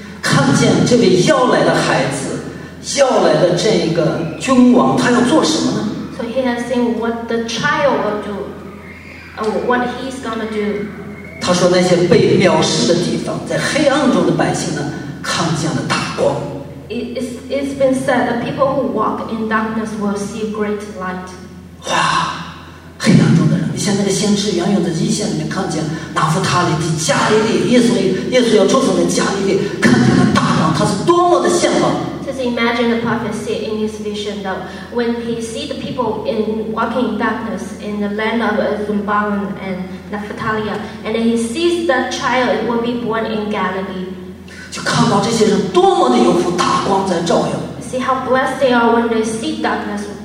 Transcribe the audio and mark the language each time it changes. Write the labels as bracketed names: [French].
[Chinese] 看见这位要来的孩子，要来的这一个君王，他要做什么呢 [English] ？So he has seen what the child will do, what he's gonna do. [Chinese] 他说那些被藐视的地方，在黑暗中的百姓呢，看见了大光。 [English] It's been said that people who walk in darkness will see great light. [Chinese] 哇，黑暗中。你像那个先知远远的一线里面看见拿弗他利的加利利耶稣要出生的加利利看见他大光他是多么的羡慕 [English] Just imagine the prophet see in his vision that when he see the people in walking darkness in the land of Zebulun and Naphtali and then he sees that child will be born in Galilee [Chinese] 就看到这些人多么的有福大光在照耀 [English] See how blessed they are when they see darkness